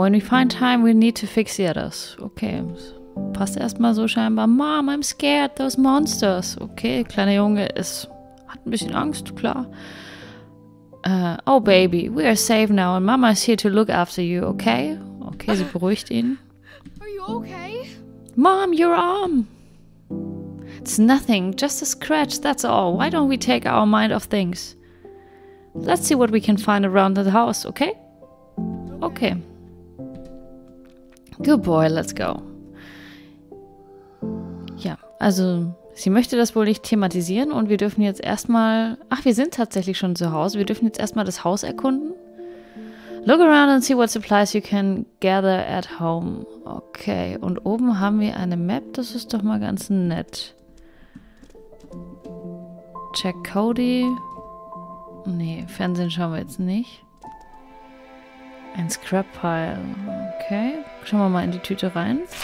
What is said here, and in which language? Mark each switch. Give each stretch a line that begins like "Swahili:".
English: When we find time, we need to fix the others. Okay.
German: Passt erstmal so scheinbar.
English: Mom, I'm scared, those monsters.
German: Okay, kleiner Junge ist, hat ein bisschen Angst, klar.
English: Oh, baby, we are safe now and Mama is here to look after you, okay?
German: Okay, sie beruhigt ihn.
English: Are you okay? Mom, your arm. It's nothing, just a scratch, that's all. Why don't we take our mind off things? Let's see what we can find around the house, okay? Okay. Good boy, let's go.
German: Ja, also sie möchte das wohl nicht thematisieren und wir dürfen jetzt erstmal, ach, wir sind tatsächlich schon zu Hause, wir dürfen jetzt erstmal das Haus erkunden.
English: Look around and see what supplies you can gather at home.
German: Okay, und oben haben wir eine Map, das ist doch mal ganz nett.
English: Check Cody.
German: Nee, Fernsehen schauen wir jetzt nicht. Ein Scrap Pile. Okay, schauen wir mal in die Tüte rein.